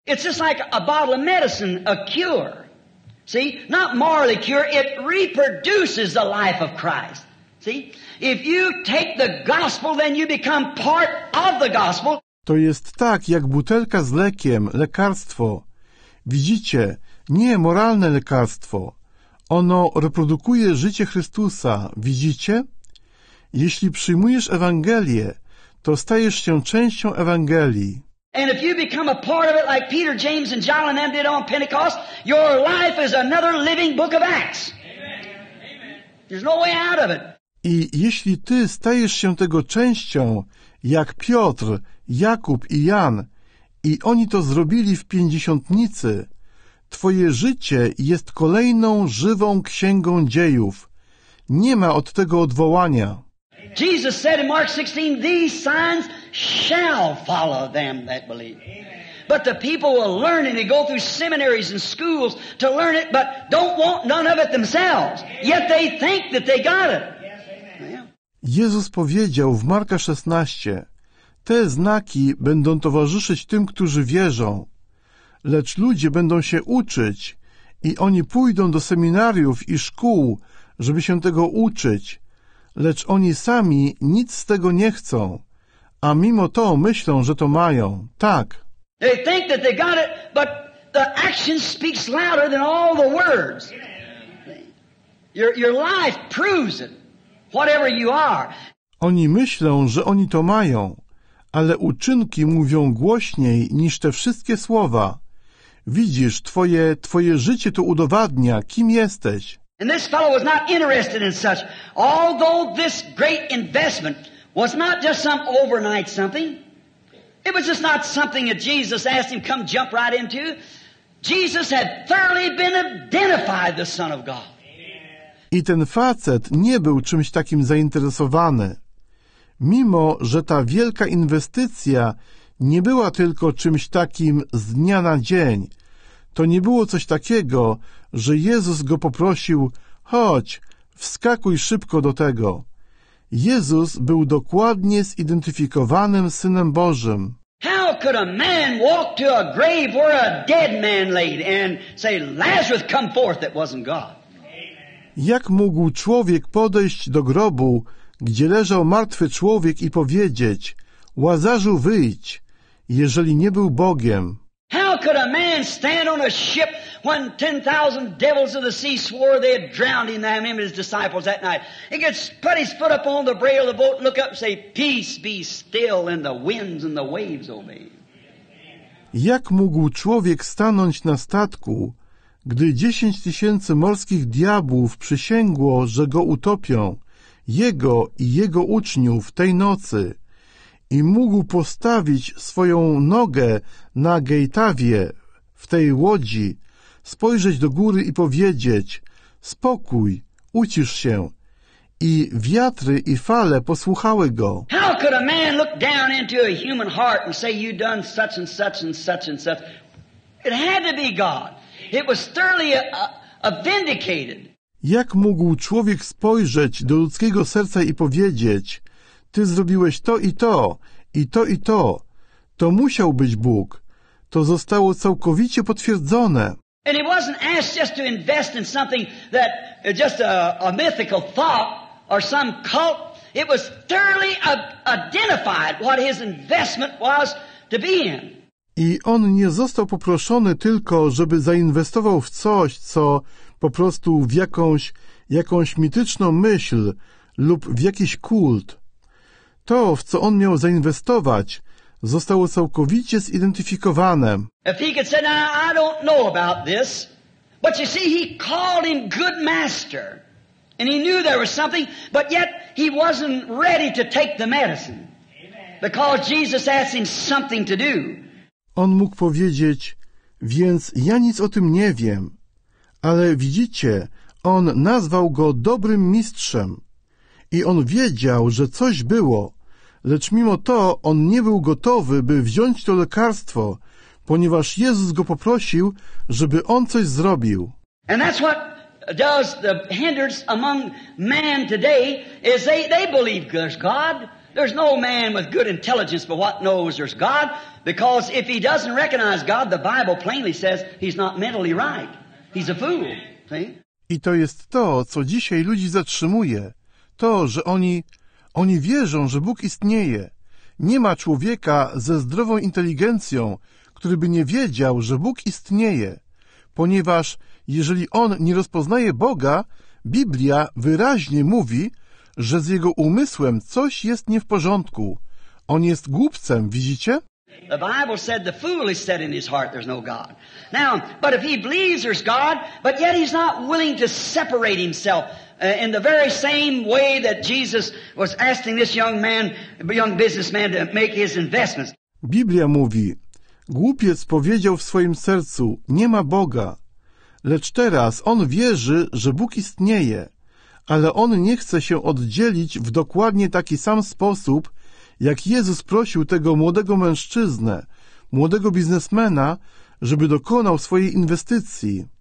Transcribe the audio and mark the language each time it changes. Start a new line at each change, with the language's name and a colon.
English: It's just like a bottle of medicine, a cure. See, not morally cure, it reproduces the life of Christ. See? If you take the gospel, then you become part of the gospel.
Polish: To jest tak jak butelka z lekiem, lekarstwo. Widzicie, nie moralne lekarstwo. Ono reprodukuje życie Chrystusa. Widzicie? Jeśli przyjmujesz Ewangelię, to stajesz się częścią Ewangelii.
English: And if you become a part of it like Peter, James and John and them did on Pentecost, your life is another living book of Acts. Amen. There's no way out of it.
Polish: I jeśli ty stajesz się tego częścią, jak Piotr, Jakub i Jan, i oni to zrobili w Pięćdziesiątnicy, twoje życie jest kolejną żywą księgą dziejów. Nie ma od tego odwołania.
English: Jesus said in Mark 16, these signs shall follow them that believe. Amen. But the people will learn it. They go through seminaries and schools to learn it, but don't want none of it themselves. Amen. Yet they think that they got it. Yes, amen.
Polish: Jezus powiedział w Marka 16, te znaki będą towarzyszyć tym, którzy wierzą. Lecz ludzie będą się uczyć i oni pójdą do seminariów i szkół, żeby się tego uczyć. Lecz oni sami nic z tego nie chcą, a mimo to myślą, że to mają. Tak.
English: They think that they got it, but the action speaks louder than all the words. Your life proves it, whatever you are.
Polish: Oni myślą, że oni to mają, ale uczynki mówią głośniej niż te wszystkie słowa. Widzisz, twoje życie to udowadnia, kim jesteś.
English: And this fellow was not interested in such, although this great investment was not just some overnight something. It was just not something that Jesus asked him come jump right into. Jesus had thoroughly been identified the Son of God.
Polish: I ten facet nie był czymś takim zainteresowany. Mimo, że ta wielka inwestycja nie była tylko czymś takim z dnia na dzień, to nie było coś takiego, że Jezus go poprosił, chodź, wskakuj szybko do tego. Jezus był dokładnie zidentyfikowanym Synem Bożym.
English: How could a man walk to a grave where a dead man laid and say, Lazarus, come forth, that wasn't God?
Polish: Jak mógł człowiek podejść do grobu, gdzie leżał martwy człowiek i powiedzieć, Łazarzu, wyjdź, jeżeli nie był Bogiem?
English: How could a man stand on a ship when 10,000 devils of the sea swore they had drowned him and his disciples that night? He could put his foot up on the rail of the boat, look up and say, peace be still, and the winds and the waves obey.
Polish: Jak mógł człowiek stanąć na statku, gdy 10,000 morskich diabłów przysięgło, że go utopią, jego i jego uczniów tej nocy? I mógł postawić swoją nogę na gejtawie w tej łodzi, spojrzeć do góry i powiedzieć, spokój, ucisz się. I wiatry i fale posłuchały go.
English: How could a man look down into a human heart and say you done such and such and such and such? It had to be God. It was thoroughly a vindicated.
Polish: Jak mógł człowiek spojrzeć do ludzkiego serca i powiedzieć, ty zrobiłeś to i to, i to i to. To musiał być Bóg. To zostało całkowicie potwierdzone.
English: And he wasn't asked just to invest in something that just a mythical thought or some cult. It was thoroughly identified what his investment was to be in.
Polish: I on nie został poproszony tylko, żeby zainwestował w coś, co po prostu w jakąś mityczną myśl lub w jakiś kult. To, w co on miał zainwestować, zostało całkowicie zidentyfikowane.
English: If he could say, now, I don't know about this, but you see, he called him good master. And he knew there was something, but yet he wasn't ready to take the medicine. Because Jesus asked him something to do.
Polish: On mógł powiedzieć, więc ja nic o tym nie wiem. Ale widzicie, on nazwał go dobrym mistrzem. I on wiedział, że coś było, lecz mimo to on nie był gotowy, by wziąć to lekarstwo, ponieważ Jezus go poprosił, żeby on coś zrobił.
English: And that's what does the hindrance among man today is they believe there's God. There's no man with good intelligence but what knows there's God, because if he doesn't recognize God, the Bible plainly says he's not mentally right. He's a fool. See?
Polish: I to jest to, co dzisiaj ludzi zatrzymuje. To, że oni wierzą, że Bóg istnieje. Nie ma człowieka ze zdrową inteligencją, który by nie wiedział, że Bóg istnieje. Ponieważ jeżeli on nie rozpoznaje Boga, Biblia wyraźnie mówi, że z jego umysłem coś jest nie w porządku. On jest głupcem, widzicie?
English: The Bible said the fool is said in his heart there's no God. Now, but if he believes there's God, but yet he's not willing to separate himself in the very same way that Jesus was asking this young man, young businessman to make his investments.
Polish: Biblia mówi, głupiec powiedział w swoim sercu, nie ma Boga, lecz teraz on wierzy, że Bóg istnieje. Ale on nie chce się oddzielić w dokładnie taki sam sposób, jak Jezus prosił tego młodego mężczyznę, młodego biznesmena, żeby dokonał swojej inwestycji.